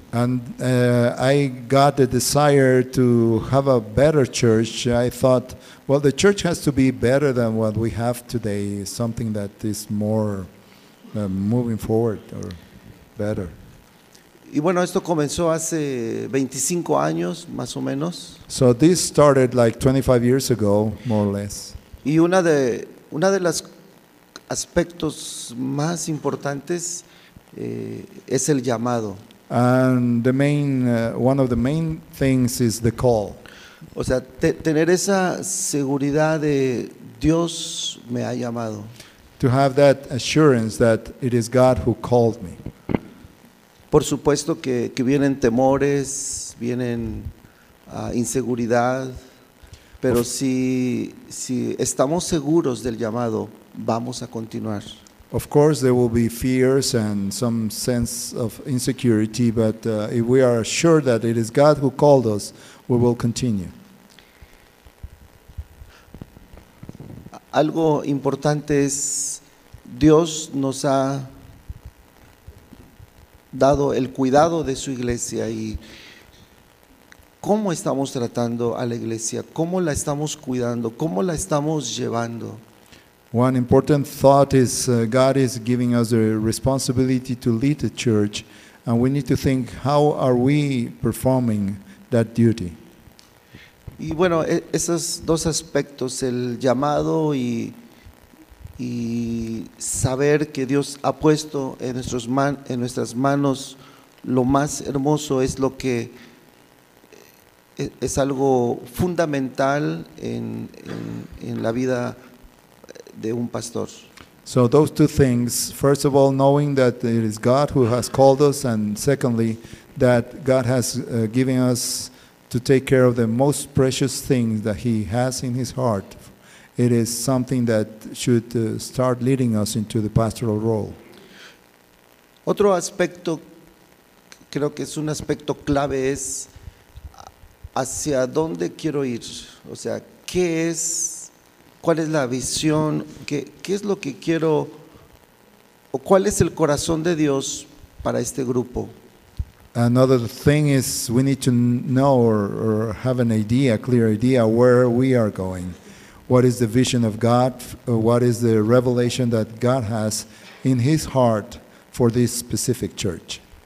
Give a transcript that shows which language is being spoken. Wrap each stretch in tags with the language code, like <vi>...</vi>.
<en>And I got the desire to have a better church. I thought, well, the church has to be better than what we have today, something that is more moving forward or better.</en> <es>Y bueno, esto comenzó hace 25 años, más o menos.</es> <en>So this started like 25 years ago, more or less.</en> <es>Y una de los aspectos más importantes es el llamado.</es> <en>And the main, one of the main things is the call.</en> <es>O sea, tener esa seguridad de Dios me ha llamado.</es> <en>To have that assurance that it is God who called me.</en> <es>Por supuesto que vienen temores, vienen inseguridad, pero si estamos seguros del llamado, vamos a continuar.</es> <en>Of course there will be fears and some sense of insecurity, but if we are sure that it is God who called us, we will continue.</en> <es>Algo importante es Dios nos ha dado el cuidado de su iglesia y cómo estamos tratando a la iglesia, cómo la estamos cuidando, cómo la estamos llevando.</es> <en>One important thought is God is giving us a responsibility to lead the church, and we need to think how are we performing that duty.</en> <es>Y bueno, esos dos aspectos, el llamado y saber que Dios ha puesto en nuestras manos lo más hermoso es lo que es algo fundamental en la vida de un pastor.</es> <en>So those two things, first of all, knowing that it is God who has called us, and secondly, that God has given us to take care of the most precious things that he has in his heart. It is something that should start leading us into the pastoral role.</en> <es>Otro aspecto, creo que es un aspecto clave, es hacia dónde quiero ir. O sea, ¿qué es? ¿Cuál es la visión? ¿Qué es lo que quiero? ¿O cuál es el corazón de Dios para este grupo?</es> <en>Another thing is we need to know or have an idea, a clear idea, where we are going. What is the vision of God? What is the revelation that God has in his heart for this specific church?</en>